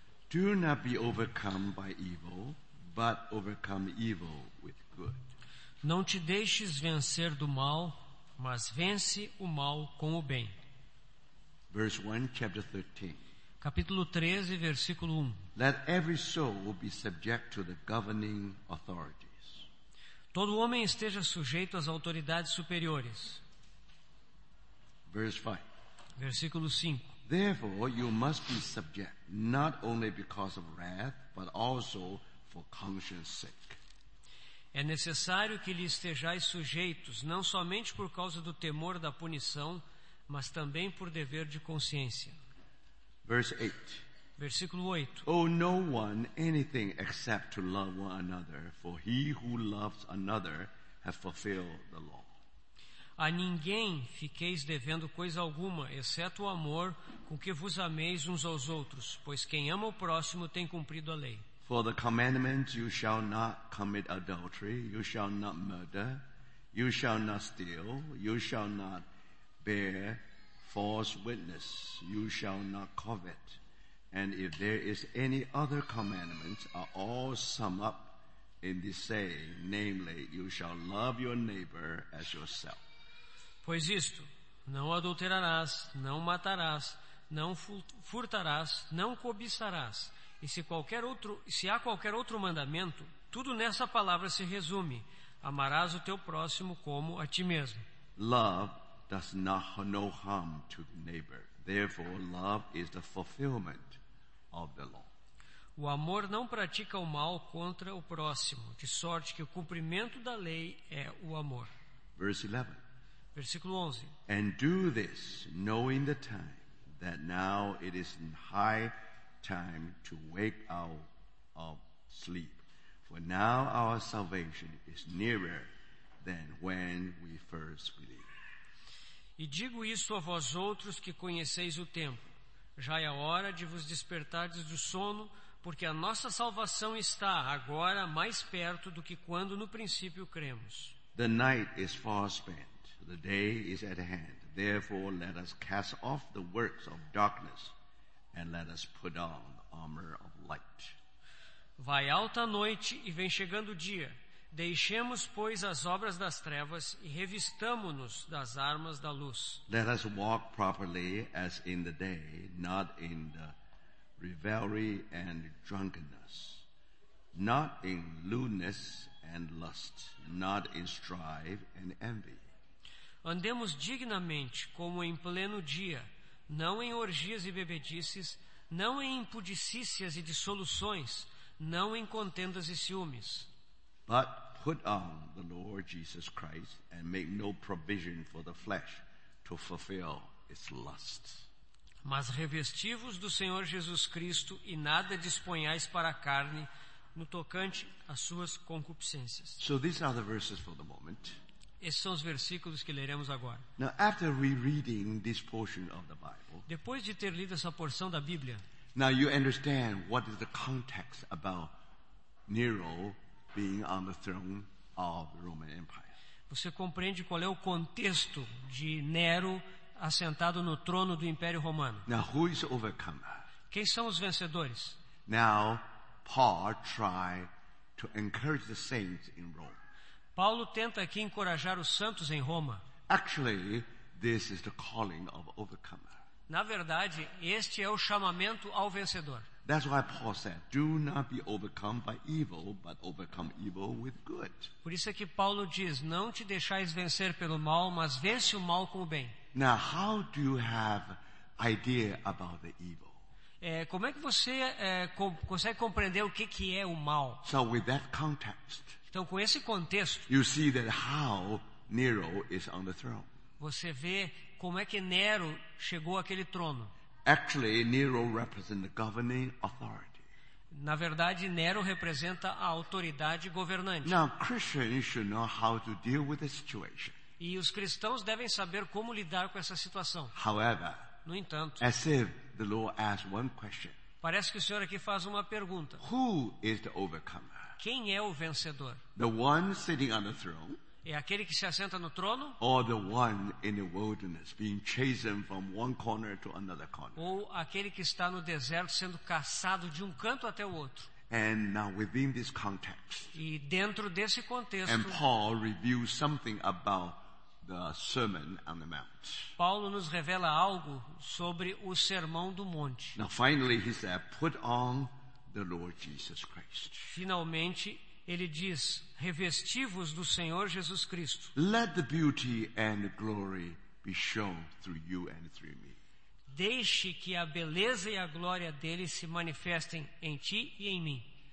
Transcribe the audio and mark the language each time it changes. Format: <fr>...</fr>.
<en>Do not be overcome by evil, but overcome evil with good.</en> <pt>Não te deixes vencer do mal, mas vence o mal com o bem.</pt> <en>Verse 1, chapter 13.</en> <pt>Capítulo 13, versículo 1.</pt> <en>Let every soul be subject to the governing authorities.</en> <pt>Todo homem esteja sujeito às autoridades superiores.</pt> <en>Verse 5.</en> <pt>Versículo 5.</pt> <en>Therefore you must be subject, not only because of wrath, but also for conscience sake.</en> <pt>É necessário que lhe estejais sujeitos, não somente por causa do temor da punição, mas também por dever de consciência.</pt> <en>Verse</en> <pt>8. Versículo 8.</pt> <en>Owe no one anything except to love one another, for he who loves another has fulfilled the law.</en> <pt>A ninguém fiqueis devendo coisa alguma, exceto o amor com que vos ameis uns aos outros, pois quem ama o próximo tem cumprido a lei.</pt> <en>For the commandment, you shall not commit adultery, you shall not murder, you shall not steal, you shall not bear false witness, you shall not covet. And if there is any other commandment, are all summed up in this saying, namely, you shall love your neighbor as yourself.</en> <pt>Pois isto, não adulterarás, não matarás, não furtarás, não cobiçarás. E se há qualquer outro mandamento, tudo nessa palavra se resume: amarás o teu próximo como a ti mesmo.</pt> <en>Love does not no harm to the neighbor. Therefore, love is the fulfillment of the law.</en> <pt>O amor não pratica o mal contra o próximo, de sorte que o cumprimento da lei é o amor.</pt> <en>Verse 11.</en> <pt>Versículo 11.</pt> <en>And do this, knowing the time, that now it is high time to wake out of sleep. For now our salvation is nearer than when we first believed.</en> <pt>E digo isto a vós outros que conheceis o tempo. Já é hora de vos despertardes do sono, porque a nossa salvação está agora mais perto do que quando no princípio cremos.</pt> <en>The night is far spent, the day is at hand. Therefore, let us cast off the works of darkness and let us put on the armor of light.</en> <pt>Vai alta a noite e vem chegando o dia. Deixemos, pois, as obras das trevas e revistamo-nos das armas da luz.</pt> <en>Let us walk properly as in the day, not in the revelry and drunkenness, not in lewdness and lust, not in strife and envy.</en> <pt>Andemos dignamente como em pleno dia, não em orgias e bebedices, não em impudicícias e dissoluções, não em contendas e ciúmes.</pt> <en>But put on the Lord Jesus Christ and make no provision for the flesh to fulfill its lusts.</en> <pt>Mas revesti-vos do Senhor Jesus Cristo e nada disponhais para a carne no tocante às suas concupiscências.</pt> <en>So these are the verses for the moment.</en> <pt>Esses são os versículos que leremos agora.</pt> <en>Now after rereading this portion of the Bible.</en> <pt>Depois de ter lido essa porção da Bíblia.</pt> <en>Now you understand what is the context about Nero being on the throne of the Roman Empire.</en> <pt>Você compreende qual é o contexto de Nero assentado no trono do Império Romano?</pt> <en>Now, who is overcomer?</en> <pt>Quem são os vencedores?</pt> <en>Now, Paul try to encourage the saints in Rome.</en> <pt>Paulo tenta aqui encorajar os santos em Roma.</pt> <en>Actually, this is the calling of overcomer.</en> <pt>Na verdade, este é o chamamento ao vencedor.</pt> <en>That's why Paul said, do not be overcome by evil, but overcome evil with good.</en> <pt>Por isso é que Paulo diz, não te deixais vencer pelo mal, mas vence o mal com o bem.</pt> <en>Now, how do you have idea about the evil?</en> <pt>Como é que você consegue compreender o que é o mal?</pt> <en>So with that context.</en> <pt>Então com esse contexto.</pt> <en>You see that how Nero is on the throne.</en> <pt>Você vê como é que Nero chegou àquele trono.</pt> <en>Actually, Nero represents the governing authority.</en> <pt>Na verdade, Nero representa a autoridade governante.</pt> <en>Now, Christians should know how to deal with the situation.</en> <pt>E os cristãos devem saber como lidar com essa situação.</pt> <en>However,</en> <pt>no entanto,</pt> <en>as if the Lord asks one question.</en> <pt>Parece que o Senhor aqui faz uma pergunta.</pt> <en>Who is the overcomer?</en> <pt>Quem é o vencedor?</pt> <en>The one sitting on the throne?</en> <pt>É aquele que se assenta no trono?</pt> <en>Or the one in the wilderness being chased from one corner to another corner?</en> <pt>Ou aquele que está no deserto sendo caçado de um canto até o outro?</pt> <en>And now within this context.</en> <pt>E dentro desse contexto.</pt> <en>And Paul reveals something about the Sermon on the Mount.</en> <pt>Paulo nos revela algo sobre o Sermão do Monte.</pt> <en>Now finally he said, put on the Lord Jesus Christ.</en> <pt>Finalmente ele diz, revesti-vos do Senhor Jesus Cristo.</pt> <en>Let the beauty and the glory be shown through you and through me.</en> <pt>Deixe que a beleza e a glória dele se manifestem em ti e em mim.</pt>